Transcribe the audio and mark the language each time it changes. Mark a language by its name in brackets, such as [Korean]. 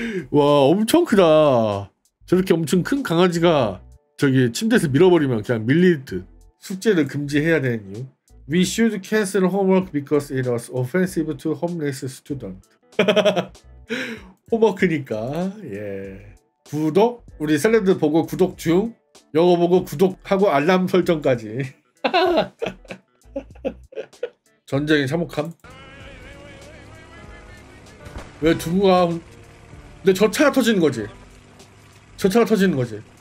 [Korean] 와 엄청 크다. 저렇게 엄청 큰 강아지가 저기 침대에서 밀어버리면 그냥 밀릴 듯. 숙제를 금지해야 되는 이유. [English] We should cancel homework because it was offensive to homeless student. [Korean] 홈워크니까. 예. 구독? 우리 셀럽드 보고 구독 중. 영어 보고 구독하고 알람 설정까지. 전쟁의 참혹함. 왜 두부가 근데 저 차가 터지는 거지. 저 차가 터지는 거지.